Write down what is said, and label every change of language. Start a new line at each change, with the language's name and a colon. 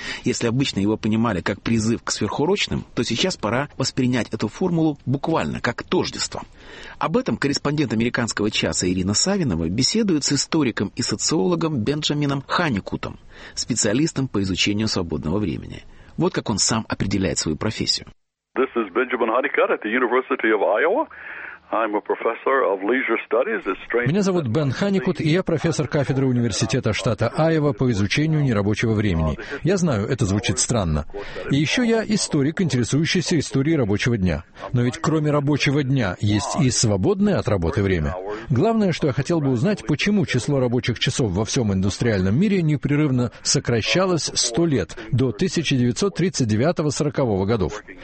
Russian: Если обычно его понимали как призыв к сверхурочным, то сейчас пора воспринять эту формулу буквально как тождество. Об этом корреспондент «Американского часа» Ирина Савинова беседует с историком и социологом Бенджамином Ханикутом, специалистом по изучению свободного времени. Вот как он сам определяет свою профессию.
English: This is Benjamin Honeycutt at the University of Iowa. I'm a professor of leisure studies. It's strange.
Russian: Меня зовут Бен Ханикут, и я профессор кафедры университета штата Айова по изучению нерабочего времени. Я знаю, это звучит странно. И еще я историк, интересующийся историей рабочего дня. Но ведь кроме рабочего дня есть и свободное от работы время. Главное, что я хотел бы узнать, почему число рабочих часов во всем индустриальном мире непрерывно сокращалось 100 лет, до 1939-40 годов.